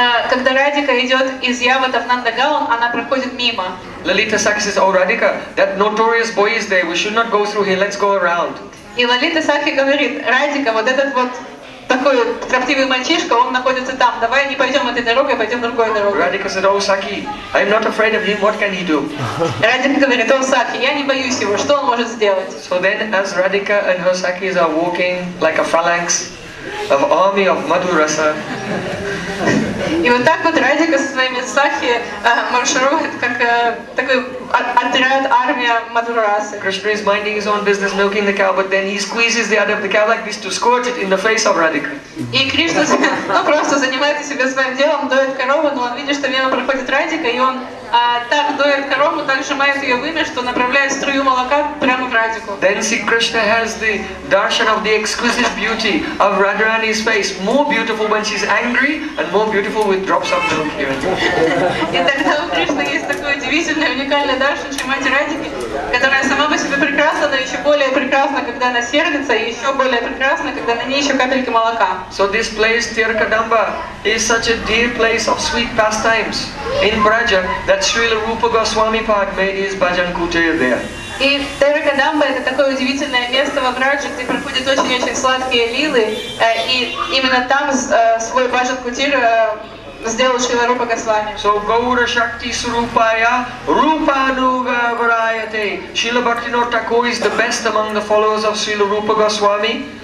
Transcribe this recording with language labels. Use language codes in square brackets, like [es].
[ru] Когда Радика идет из Явата в Нандагаон, она проходит мимо. [en] Lalita Sakhi says, "Oh, Radhika, that notorious boy is there. We should not go through here. Let's go around." [ru] И Лалита Сакхи говорит: Радика, вот этот вот такой троптивый мальчишка, он находится там. Давай не пойдем этой дорогой, пойдем другой дорогой. [en] Радика said, "Oh, Sakhi, I'm not afraid of him. What can he do?" [ru] Радика говорит: "Oh, Сакхи, я не боюсь его. Что он может сделать?" [en] So then, as Radhika and her Sakhis are walking like a phalanx of army of Madhurasa. [ru] И вот так вот Радика со своими сахи марширует, как такой отряд, армия Мадхурасы. [en] Krishna is minding his own business, milking the cow, but then he squeezes the udder of the cow like this to squirt it in the face of Radhika. [ru] И Кришна, ну, просто занимается себя своим делом, доит корову, но он видит, что мимо проходит Радика, и он так доит корову, так сжимает ее вымя, что направляет струю молока прямо в Радику. [en] Then see, Krishna has the darshan of the exquisite beauty of Radharani's face, more beautiful when she's angry and more beautiful with drops of milk here. [ru] И тогда у Кришны есть такое удивительное, уникальное даршан, чем мать Радики, которая сама по себе прекрасна, но еще более прекрасна, когда она сердится, и еще более прекрасна, когда на ней еще капельки молока. [en] So this place, Terakadamba, is such a dear place of sweet pastimes in Braja that Srila Rupa Goswami Pad made his bhajan kutir there. [ru] И Терракадамба — это такое удивительное место во Брадже, где проходят очень-очень сладкие лилы, и именно там свой бхаджан кутир сделал Шрила Рупа Госвами. [sa] So Gaura Shakti Surupaya Rupa Nuga Varayate. [en] Srila Bhaktivinoda Thakur is the best among the followers of Srila Rupa Goswami.